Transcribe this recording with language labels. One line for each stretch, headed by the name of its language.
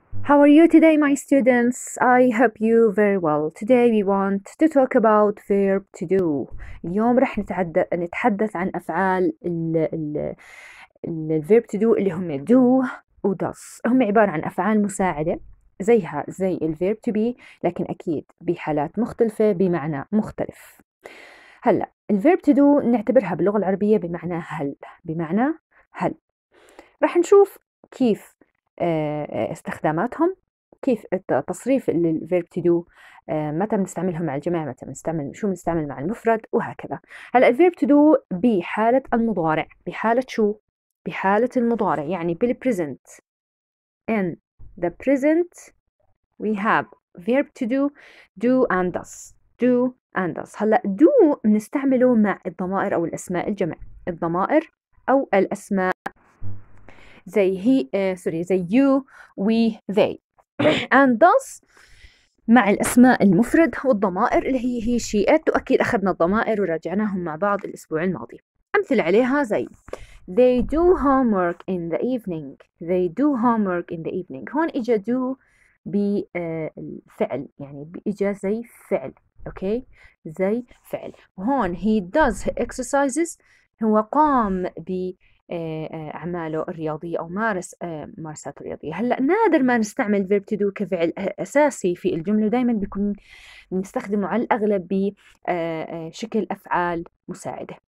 English: How are you today, my students? I hope you very well. Today we want to talk about verb to do.
Arabic: اليوم رح نتحدث عن أفعال ال verb to do اللي هم do و does. هم عبارة عن أفعال مساعدة زي ال verb to be، لكن أكيد بحالات مختلفة بمعنى مختلف. هلا ال verb to do نعتبرها باللغة العربية بمعنى هل، بمعنى هل. رح نشوف كيف استخداماتهم، كيف التصريف للفيرب تو دو، متى بنستعملهم مع الجماعة، متى بنستعمل، شو بنستعمل مع المفرد وهكذا. هلا الفيرب تو دو بحالة المضارع، بحالة شو؟ بحالة المضارع، يعني بالبريزنت.
English: In the present we have verb to do, do and does. Do and does.
Arabic: هلا do بنستعمله مع الضمائر أو الأسماء الجمع، الضمائر أو الأسماء زي he sorry زي
English: you we they and does
Arabic: مع الأسماء المفرد والضمائر اللي هي he she it. وأكيد أخذنا الضمائر وراجعناهم مع بعض الأسبوع الماضي. أمثل عليها زي
English: they do homework in the evening. They do homework in the evening.
Arabic: هون إجا do بفعل، يعني إجا زي فعل. أوكي زي فعل. وهون
English: he does exercises،
Arabic: هو قام ب أعماله الرياضية أو مارسات الرياضية. هلأ نادر ما نستعمل verb to do كفعل أساسي في الجملة، دائما بيكون نستخدمه على الأغلب بشكل أفعال مساعدة.